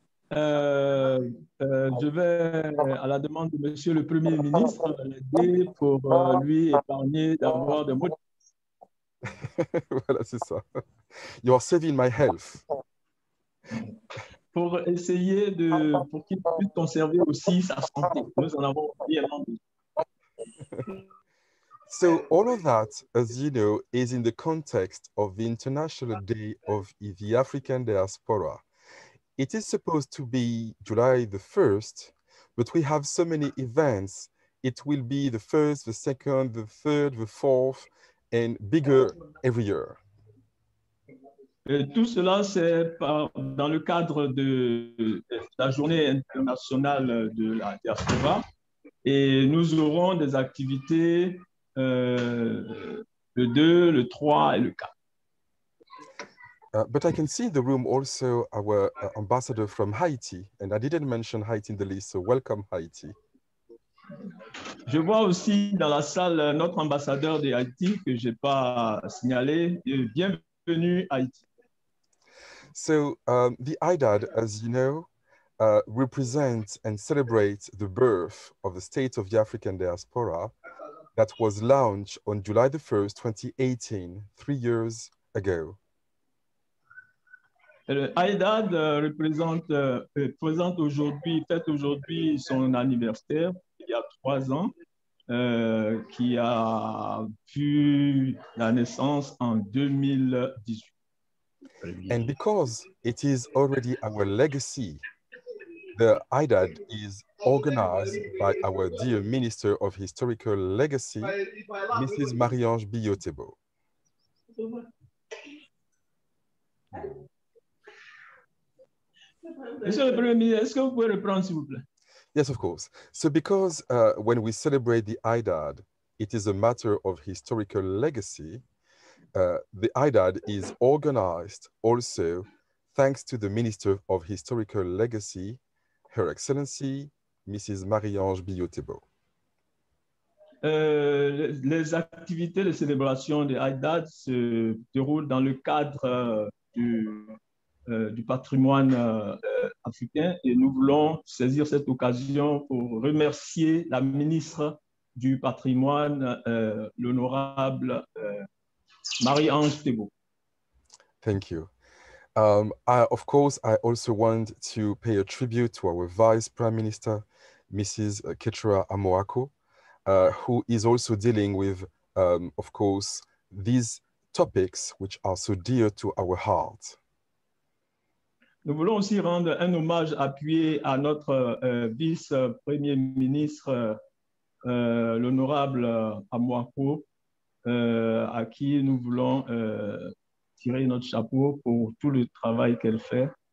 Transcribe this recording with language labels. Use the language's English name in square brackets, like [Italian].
[French] Je vais, à la demande de Monsieur le Premier ministre, l'aider pour lui épargner d'avoir des mots. Voilà, c'est ça. [English] You are saving my health. [French] Pour essayer de, pour qu'il puisse conserver aussi sa santé. Nous en avons bien besoin. [English] So all of that, as you know, is in the context of the International Day of the African Diaspora. It is supposed to be July the 1st, but we have so many events. It will be the 1st, the 2nd, the 3rd, the 4th, and bigger every year. [French] Tout cela, c'est dans le cadre de la Journée internationale de la diaspora. Et nous aurons des activités... le 2, le 3 et le 4. [English] But I can see in the room also our ambassador from Haiti, and I didn't mention Haiti in the list, so welcome Haiti. [French] Je vois aussi dans la salle notre ambassadeur de Haïti que je n'ai pas signalé. Bienvenue Haïti. [English] So the IDAD, as you know, represent and celebrate the birth of the State of the African Diaspora that was launched on July the 1st, 2018, 3 years ago. [French] AIDAD fête aujourd'hui son anniversaire il y a 3 ans, qui a vu la naissance en 2018. [English] And because it is already our legacy, the AIDAD is organized by our dear Minister of Historical Legacy, Mrs. Marie-Ange Biyotebo. Yes, of course. So because when we celebrate the AIDAD, it is a matter of historical legacy, the AIDAD is organized also thanks to the Minister of Historical Legacy, Her Excellency, Mrs. Marie-Ange Biyotebo. [French] Les activités de célébration de AIDAD se déroulent dans le cadre du patrimoine africain et nous voulons saisir cette occasion pour remercier la ministre du patrimoine, l'honorable Marie-Ange Biyotebo. [English] Thank you. Of course, I also want to pay a tribute to our Vice Prime Minister, Mrs. Ketura Amoako, who is also dealing with, of course, these topics which are so dear to our heart. [French] Nous voulons aussi rendre un hommage appuyé à notre Vice Premier Ministre, l'honorable Amoako, à qui nous voulons tirer notre chapeau pour tout le travail qu'elle fait.